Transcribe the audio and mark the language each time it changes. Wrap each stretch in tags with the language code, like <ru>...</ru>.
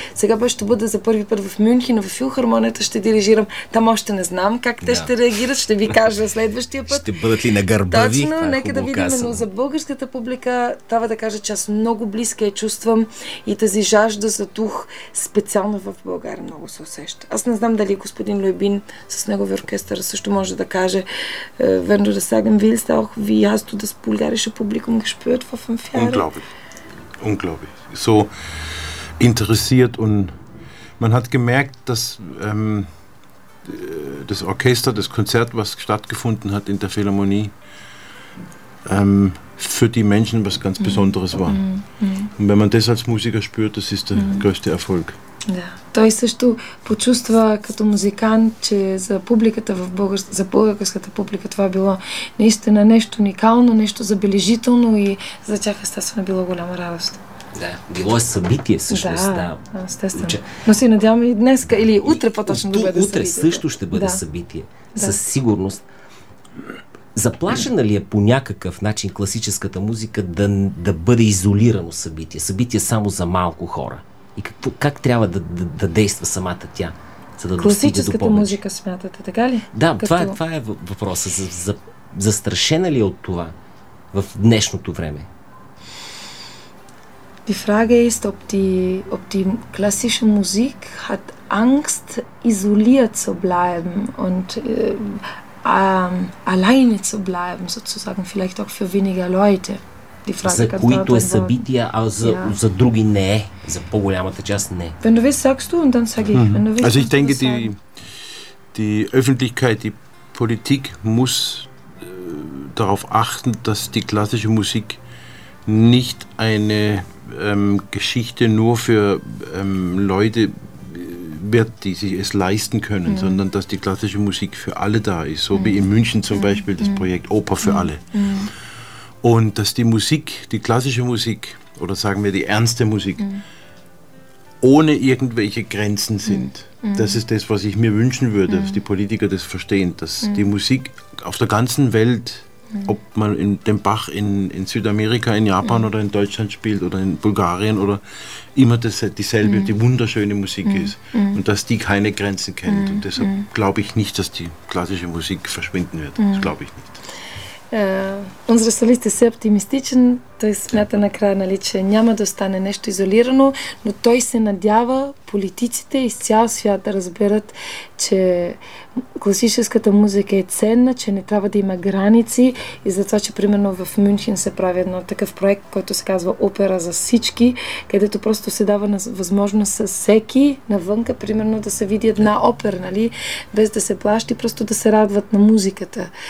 <bg>Сега ще бъда за първи път в Мюнхен, в филхармонията ще дирижирам. Там още не знам как те ще реагират. Ще ви кажа следващия път. Ще бъдат ли на гърба ви? Точно, нека да видим. Но за българската публика трябва да кажа, че аз много близка я чувствам и тази жажда за дух специално в България много се усеща. Аз не знам дали господин Любин с неговия оркестър също може да каже,</bg> <de>wenn du das sagen willst, auch wie hast du das bulgarische Publikum gespürt vor 5 Jahren? Unglaublich. So interessiert und man hat gemerkt, dass das Orchester, das Konzert, was stattgefunden hat in der Philharmonie, für die Menschen was ganz Besonderes war. Und wenn man das als Musiker spürt, das ist der größte Erfolg.</de> <bg>Да. Той също почувства като музикант, че за публиката в за българската публика това било наистина нещо уникално, нещо забележително и за тях естествено било голяма радост. Да, било е събитие всъщност. Да, естествено. Но си надявам и днес или утре по-точно да бъде събитие. Утре също ще бъде събитие. Да. Със сигурност. Заплашена ли е по някакъв начин класическата музика да бъде изолирано събитие? Събитие само за малко хора? И как трябва да действа самата тя, за да достигне до повече? Класическата музика смятате, така ли? Да, това е въпроса. Застрашена ли е от това в днешното време?</bg> <de>Die Frage ist, ob die klassische Musik hat Angst, isoliert zu bleiben und alleine zu bleiben, sozusagen, vielleicht auch für weniger Leute.</de> <bg>За които е събитие, а за други не е. За по-голямата част не.</bg> <de>Wenn du willst, sagst du, und dann sag ich. Also ich denke, die Öffentlichkeit, die Politik muss darauf achten, dass die klassische Musik nicht eine Geschichte nur für Leute wird, die sich es leisten können, sondern dass die klassische Musik für alle da ist. So wie in München zum Beispiel das Projekt Oper für alle. Und dass die Musik, die klassische Musik, oder sagen wir die ernste Musik, ohne irgendwelche Grenzen sind. Das ist das, was ich mir wünschen würde, dass die Politiker das verstehen, dass die Musik auf der ganzen Welt, ob man in dem Bach in Südamerika, in Japan oder in Deutschland spielt oder in Bulgarien oder immer dieselbe, die wunderschöne Musik ist und dass die keine Grenzen kennt. Und deshalb glaube ich nicht, dass die klassische Musik verschwinden wird. Das glaube ich nicht. Unsere</de> <bg>солист е все оптимистичен, той смята накрая, нали, че няма да стане нещо изолирано, но той се надява политиците из цял свят да разберат, че класическата музика е ценна, че не трябва да има граници и затова, че примерно в Мюнхен се прави едно такъв проект, който се казва Опера за всички, където просто се дава възможност с всеки навънка, примерно да се види една опера, нали, без да се плащи, просто да се радват на музиката.</bg>